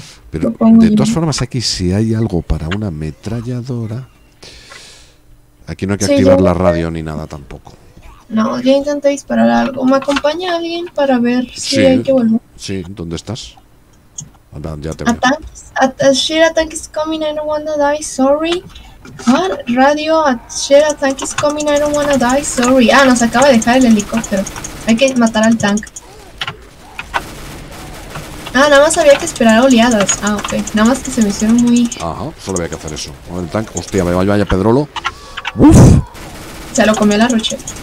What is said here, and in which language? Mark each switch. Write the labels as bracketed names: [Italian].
[Spanish] Pero, supongo, de todas formas, aquí si hay algo para una ametralladora... Aquí no hay que activar la radio ni nada tampoco. No, ya intenté disparar algo. ¿Me acompaña alguien para ver si hay que volver? Sí, ¿dónde estás? Ya te veo. A tanques, [English] Shit, a tank is coming, I don't wanna die, sorry. What? Radio, shit, a tank is coming, I don't wanna die, sorry. [Spanish] Ah, nos acaba de dejar el helicóptero. Hay que matar al tank. Ah, nada más había que esperar oleadas. Ah, ok. Nada más que se me hicieron muy... Ajá, solo había que hacer eso. Con el tank. Hostia, vaya, vaya, Pedrolo. ¡Uf! Se lo comió la roche.